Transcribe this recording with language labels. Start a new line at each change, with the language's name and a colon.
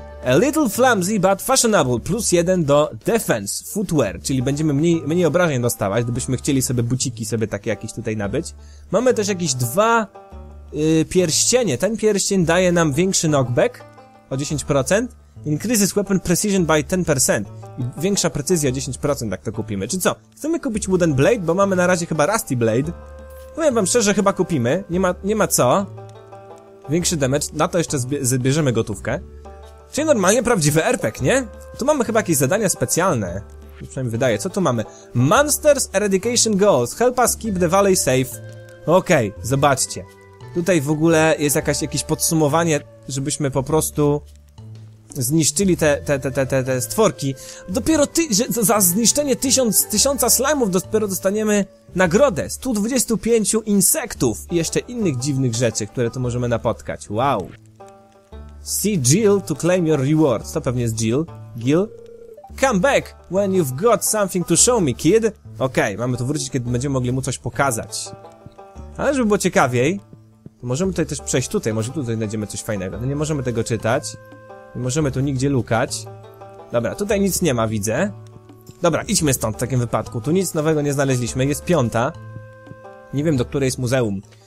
English: A little flimsy, but fashionable, plus 1 do defense, footwear,
Polish: czyli będziemy mniej obrażeń dostawać, gdybyśmy chcieli sobie buciki sobie takie jakieś tutaj nabyć. Mamy też jakieś dwa pierścienie. Ten pierścień daje nam większy knockback o 10%.
English: Increases weapon precision by 10%.
Polish: I większa precyzja o 10%, jak to kupimy. Czy co? Chcemy kupić Wooden Blade, bo mamy na razie chyba Rusty Blade. Powiem wam szczerze, chyba kupimy. Nie ma co. Większy damage. Na to jeszcze zbierzemy gotówkę. Czyli normalnie prawdziwy RPG, nie? Tu mamy chyba jakieś zadania specjalne. Przynajmniej wydaje. Co tu mamy?
English: Monsters Eradication Goals. Help us keep the valley safe.
Polish: Okej, zobaczcie. Tutaj w ogóle jest jakieś podsumowanie, żebyśmy po prostu zniszczyli te stworki. Dopiero za zniszczenie tysiąca slime'ów dopiero dostaniemy nagrodę. 125 insektów i jeszcze innych dziwnych rzeczy, które tu możemy napotkać. Wow.
English: See Jill to claim your reward.
Polish: To pewnie jest Jill.
English: Gil? Come back when you've got something to show me, kid.
Polish: Okej, okay, mamy tu wrócić, kiedy będziemy mogli mu coś pokazać. Ale żeby było ciekawiej, to możemy tutaj też przejść tutaj. Może tutaj znajdziemy coś fajnego. No nie możemy tego czytać. Nie możemy tu nigdzie lukać. Dobra, tutaj nic nie ma, widzę. Dobra, idźmy stąd w takim wypadku. Tu nic nowego nie znaleźliśmy. Jest piąta. Nie wiem, do której jest muzeum.